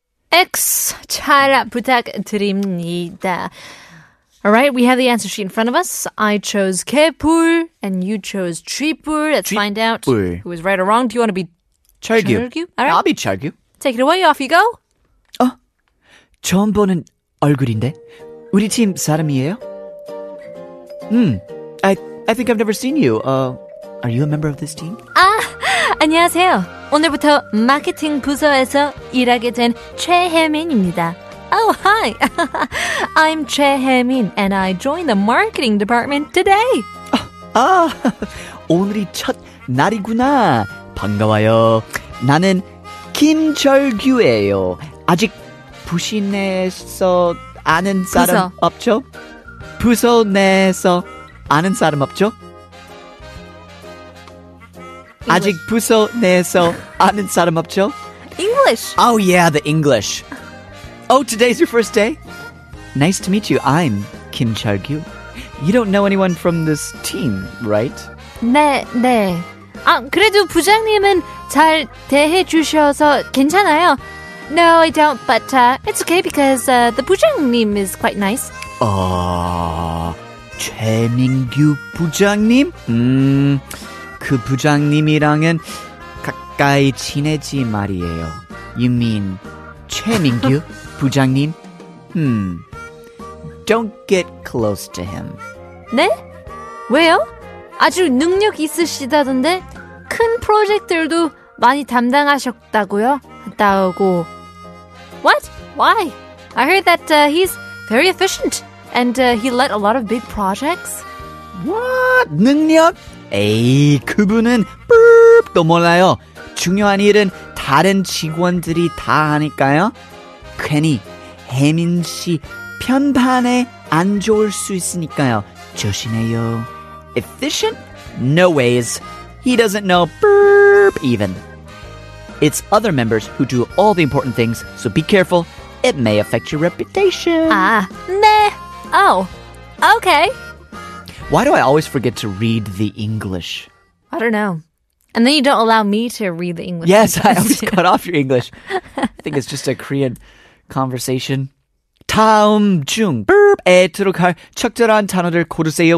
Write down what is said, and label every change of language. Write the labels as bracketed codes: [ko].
[ko] X, 잘 부탁드립니다. [en] All right, we have the answer sheet in front of us. I chose 개불 and you chose 쥐불. Let's find out who is right or wrong. Do you want to be [ko] 철규? [en] 철규? All right. I'll be 철규. Take it away. Off you go. [ko] 어? 처음 보는 얼굴인데 우리 팀 사람이에요? [en] I think I've never seen you. Are you a member of this team? [ko] 아, 안녕하세요. 오늘부터 마케팅 부서에서 일하게 된 최혜민입니다. [en] Oh, hi. I'm 최혜민, and I joined the marketing department today. [ko] 아, 오늘이 첫 날이구나. 반가워요. 나는 김철규예요. 아직 부신에서 아는 사람 부서. 없죠? 부서 내에서 아는 사람 없죠? [en] English. [ko] 아직 부서 내에서 아는 사람 없죠? [en] English. Oh, yeah, the English. Oh, today's your first day? Nice to meet you. I'm Kim Chargyu. You don't know anyone from this team, right? [ko] 네, 네. 아, 그래도 부장님은 잘 대해주셔서 괜찮아요. [en] No, I don't, but it's okay because the 부장님 is quite nice. [ko] Jaemin-gyu 부장님? 그 부장님이랑은 가까이 친해지 말이에요. [en] You mean Jaemin-gyu 부장님? Don't get close to him. [ko] 네? 왜요? 아주 능력 있으시다던데 큰 프로젝트들도 많이 담당하셨다고요? 했다고. [en] What? Why? I heard that he's very efficient and he led a lot of big projects. What? [ko] 능력? 에이, 그분은 또 몰라요. 중요한 일은 다른 직원들이 다 하니까요. 괜히 혜민 씨 편판에 안 좋을 수 있으니까요. 조심해요. [en] Efficient? No ways. He doesn't know burp even. It's other members who do all the important things, so be careful. It may affect your reputation. Ah, [ko] 네. [en] Oh, okay. Why do I always forget to read the English? I don't know. And then you don't allow me to read the English. Yes, I always cut off your English. I think it's just a Korean conversation. [ko] 다음 중 burp에 들어갈 적절한 단어들 고르세요.